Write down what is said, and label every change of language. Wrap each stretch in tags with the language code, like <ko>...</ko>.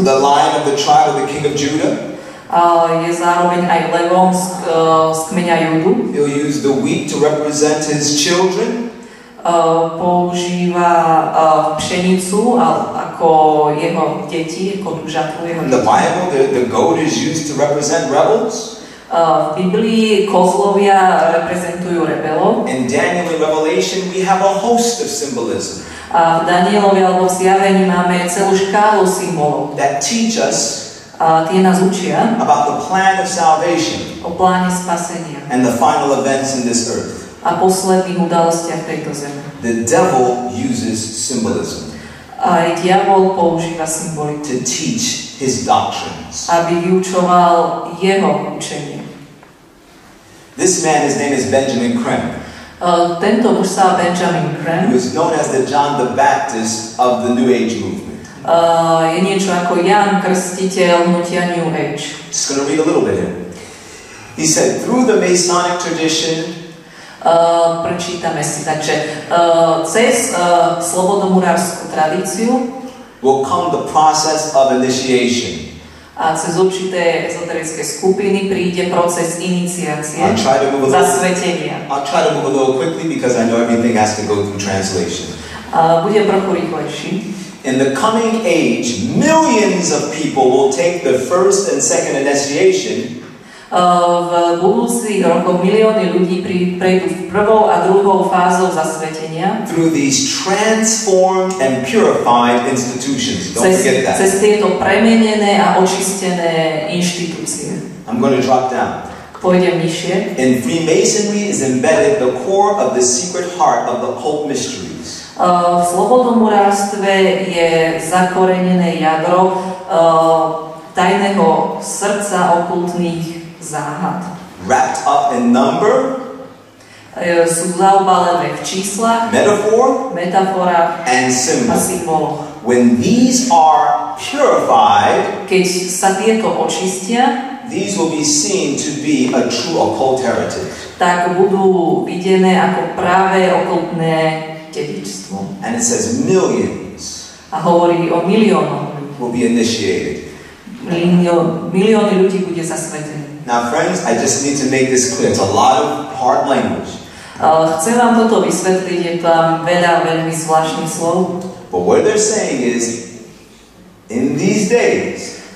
<en>The lion of the tribe of the king of Judah.</en> <sk>Je zároveň aj levom z kmeňa Judu.</sk> <en>He'll use the wheat to represent his children.</en> <sk>Používa pšenicu ako jeho deti, ako žatvu jeho deti.</sk> <en>The Bible, the goat is used to represent rebels.</en> <sk>V Biblii kozlovia reprezentujú rebelov.</sk> <en>In Daniel and Revelation we have a host of symbolism.</en> <sk>A v Danielovi alebo v Zjavení máme celú škálu symbolov.</sk> <en>That teach us</en> <sk>tie nás učia</sk> <en>about the plan of salvation.</en> <sk>O pláne spasenia.</sk> <en>And the final events in this earth.</en> <sk>A posledných udalostiach tejto zeme.</sk> <en>The devil uses symbolism.</en> <sk>Aj diabol používa symboly.</sk> <en>To teach his doctrines.</en> <sk>Aby vyučoval jeho učenie.</sk> <en>This man, his name is Benjamin Krem.</en> <sk>Tento muž sa Benjamin Krem.</sk> <en>He was known as the John the Baptist of the New Age movement.</en> <sk>Je niečo ako Ján Krstiteľ hnutia New Age.</sk> <en>Just gonna read a little bit here. He said, through the Masonic tradition,</en> <sk>Prečítame si, takže cez slobodomurárskú tradíciu</sk> <en>will come the process of initiation.</en> <sk>A cez určité ezoterické skupiny príde proces iniciácie, zasvetenia.</sk> <en>I'll try to move a little quickly because I know everything has to go through translation.</en> <sk>Budem trochu rýchlejší.</sk> <en>In the coming age, millions of people will take the first and second initiation.</en> <sk>V budúcich rokoch milióny ľudí prejdú v prvou a druhou fázou zasvetenia</sk> <en>through these transformed and purified institutions. Don't forget that.</en> <sk>Cez tieto premenené a očistené inštitúcie.</sk> <en>I'm going to drop down.</en> <sk>Pôjdem nižšie.</sk> <en>In Freemasonry is embedded the core of the secret heart of the occult mysteries.</en> <sk>V slobodomurárstve je zakorenené jadro tajného srdca okultných záhad.</sk> <en>Wrapped up in number,</en> <sk>sú zaobalené v číslach,</sk> <en>metafora and symbol. When these are purified,</en> <sk>keď sa tieto očistia,</sk> <en>these will be seen to be a true occult heritage.</en> <sk>Tak budú videné ako pravé okultné dedičstvo.</sk> <en>And it says millions.</en> <sk>A hovorí o miliónoch.</sk> <en>Will be initiated.</en> <sk>Milióny ľudí bude zasvetený.</sk> <en>Now friends, I just need to make this clear. It's a lot of hard language.</en> <sk>Chcem vám toto vysvetliť, je tam veľa veľmi zvláštnych slov.</sk> <en>But what they're saying is, in these days,</en>